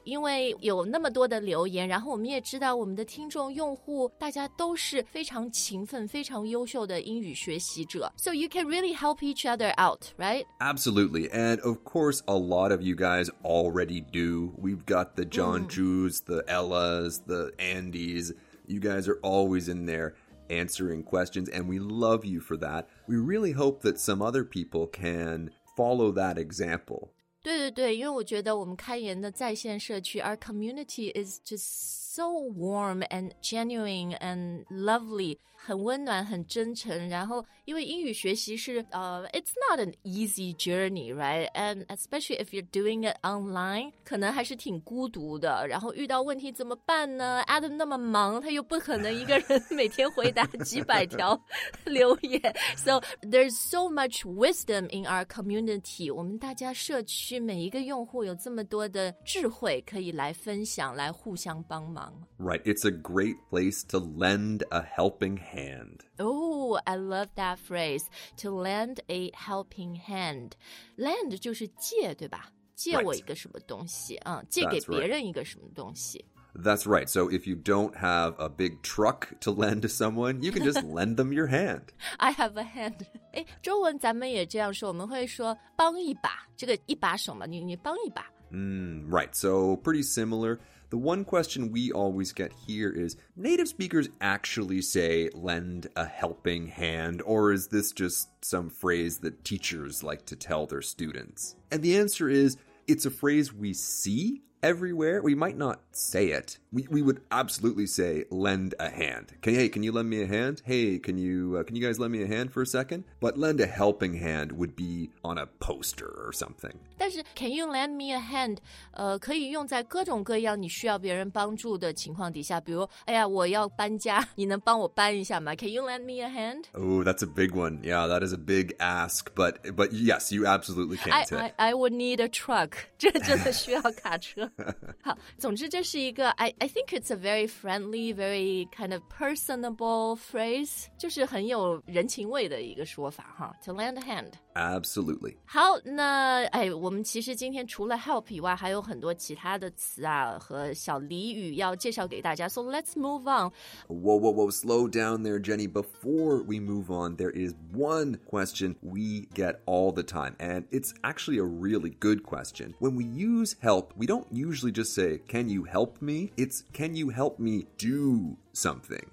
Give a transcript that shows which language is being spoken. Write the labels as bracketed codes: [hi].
[zh] 因为有那么多的留言，然后我们也知道我们的听众用户大家都是非常勤奋、非常优秀的英语。 [en] So you can really help each other out, right? Absolutely. And of course, a lot of you guys already do. We've got the John Drews, the Ellas, the Andys. You guys are always in there answering questions, and we love you for that. We really hope that some other people can follow that example. [zh] 对对对，因为我觉得我们开言的在线社区 ， [en] our community is just so warm and genuine and lovely， [zh] 很温暖，很真诚。然后，因为英语学习是 [en] it's not an easy journey, right? And especially if you're doing it online， [zh] 可能还是挺孤独的。然后遇到问题怎么办呢 ？Adam 那么忙，他又不可能一个人每天回答几百条留言。 [en] So there's so much wisdom in our community， [zh] 我们大家社区。是每一个用户有这么多的智慧可以来分享，来互相帮忙。 [en] Right, it's a great place to lend a helping hand. Oh, I love that phrase, to lend a helping hand. [zh] Lend 就是借，对吧？借我一个什么东西， [en] right. [zh] 借给别人一个什么东西。 [en] That's right. So if you don't have a big truck to lend to someone, you can just lend them your hand. I have a hand. [zh] 诶，中文咱们也这样说，我们会说帮一把，这个一把手嘛，你帮一把。 [en] Right. So pretty similar. The one question we always get here is, native speakers actually say lend a helping hand, or is this just some phrase that teachers like to tell their students? And the answer is, it's a phrase we see everywhere. We might not say it. We would absolutely say, lend a hand. Hey, can you lend me a hand? Hey, can you guys lend me a hand for a second? But lend a helping hand would be on a poster or something. [zh] 但是 [en] can you lend me a hand? [zh] 可以用在各种各样你需要别人帮助的情况底下。比如，哎呀，我要搬家，你能帮我搬一下吗？ [en] Can you lend me a hand? Oh, that's a big one. Yeah, that is a big ask. But yes, you absolutely can. I would need a truck. [zh] 这真的需要卡车。好，总之这是一个 [en] I think it's a very friendly, very kind of personable phrase. [zh] 就是很有人情味的一个说法哈 [en] To lend a hand. Absolutely. [zh] 好，那哎，我们其实今天除了 help 以外，还有很多其他的词啊和小俚语要介绍给大家。 [en] So let's move on. Whoa, whoa, whoa! Slow down there, Jenny. Before we move on, there is one question we get all the time, and it's actually a really good question. When we use help, we don't usually just say, "Can you help me?" It's, "Can you help me do?" something.